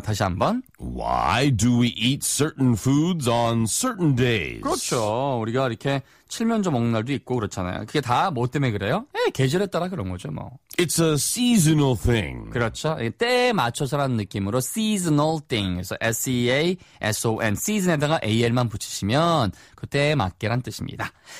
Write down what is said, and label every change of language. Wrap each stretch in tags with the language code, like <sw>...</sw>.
<ko>다시 한번.</ko> <en>Why do we eat certain foods on certain days?</en> <ko>그렇죠. 우리가 이렇게 칠면조 먹는 날도 있고 그렇잖아요. 그게 다 뭐 때문에 그래요? 예, 계절에 따라 그런 거죠, 뭐.</ko> <en>It's a seasonal thing.</en> <ko>그렇죠. 때에 맞춰서라는 느낌으로</ko> <en>seasonal thing.</en> <ko>그래서 S-E-A-S-O-N. season에다가 AL만 붙이시면 그 때에 맞게란 뜻입니다.</ko>